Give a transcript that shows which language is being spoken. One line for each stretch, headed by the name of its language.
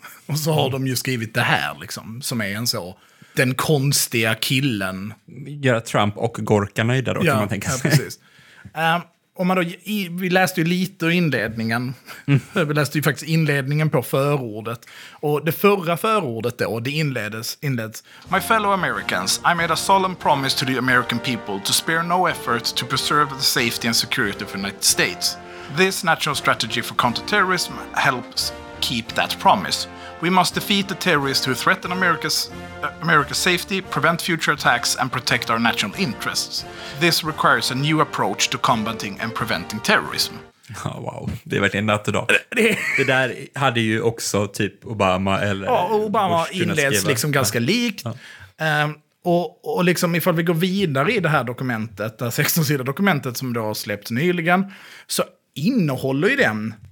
Swedish: Och så har de ju skrivit det här liksom, som är en så, den konstiga killen. Göra Trump och Gorka nöjda då, ja, kan man tänka sig. Ja, precis. Om man då, vi läste ju lite inledningen. Mm. Vi läste ju faktiskt inledningen på förordet. Och det förra förordet då, det inleds.
English: My fellow Americans, I made a solemn promise to the American people to spare no effort to preserve the safety and security of the United States. This national strategy for counterterrorism helps keep that promise. We must defeat the terrorists who threaten America's safety, prevent future attacks, and protect our national interests. This requires a new approach to combating and preventing terrorism.
Swedish: Ja, oh, wow. Det är verkligen natt idag. Det där hade ju också typ Obama eller... Ja, Obama inleds liksom ganska likt. Ja. Och liksom ifall vi går vidare i det här dokumentet, det 16-sida dokumentet som du har släppt nyligen, så innehåller ju den...